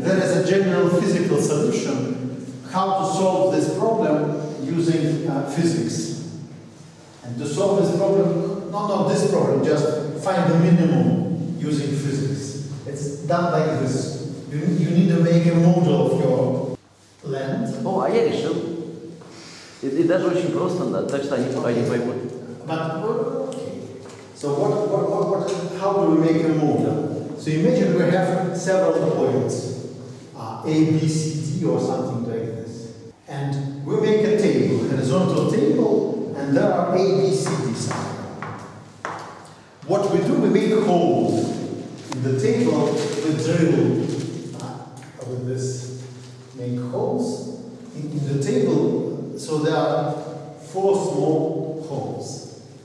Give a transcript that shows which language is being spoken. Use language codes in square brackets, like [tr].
[en] There is a general physical solution how to solve this problem using physics. And to solve this problem, not this problem, just find the minimum using physics. It's done like this. You need to make a model of your land. Oh, I [ru] решил. И даже очень просто, да, так что они пока не поймут. [en] But okay. So what? How do we make a model? So imagine we have several points, A, B, C, D, or something like this, and we make a table, a horizontal table, and there are A, B, C, D signs. What we do, we make a hole in the table, we drill with this, make holes in the table, so there are four small holes.